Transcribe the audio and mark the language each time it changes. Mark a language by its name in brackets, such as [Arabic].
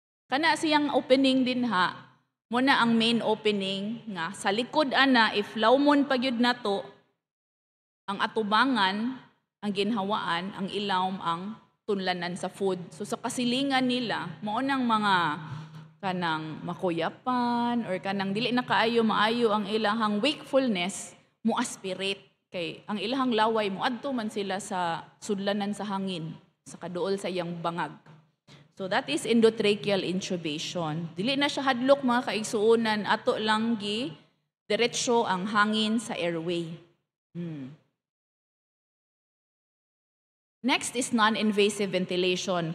[Cebuano] Kana siyang opening din ha, muna ang main opening nga sa likod ana, if laumon pagyud na to, ang atubangan, ang ginhawaan, ang ilawm, ang tunlanan sa food. So sa kasilingan nila, maunang mga kanang makuyapan or kanang dili na kaayo maayo ang ilahang wakefulness mo aspirate kay ang ilahang laway mo adto man sila sa sudlanan sa hangin sa kaduol sa iyang bangag. [English] So that is endotracheal intubation. [Cebuano] Dili na siya hadlok mga kaigsuonan, ato lang gi diretso ang hangin sa airway. [English] Next is non-invasive ventilation.